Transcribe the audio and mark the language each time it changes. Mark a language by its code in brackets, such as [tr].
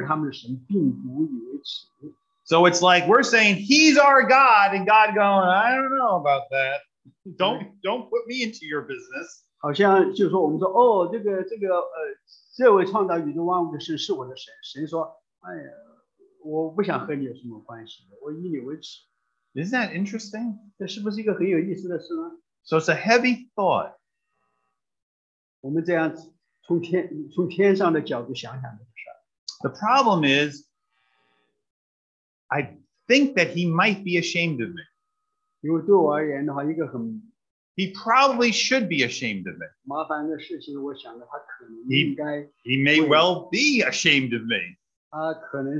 [zh] 但是在希伯来书的第十一章第十六节的末了，他说，但是神被称为他们的神，并不以为耻。 [en] So it's like we're saying he's our God, and God going, I don't know about that. Don't put me into your business. [zh] 好像就说我们说，哦，这个这位创造宇宙万物的神是我的神。神说，哎呀，我不想和你有什么关系，我以你为耻。 [en] Isn't that interesting? [zh] 这是不是一个很有意思的事呢？ [en] So it's a heavy thought. [zh] 我们这样从天上的角度想想这个事儿。 [en] The problem is. I think that he might be ashamed of me. [zh] 因为对我而言的话，一个很 [en] He probably should be ashamed of me. [zh] 麻烦的事情，我想的他可能应该。 [en] He may well be ashamed of me.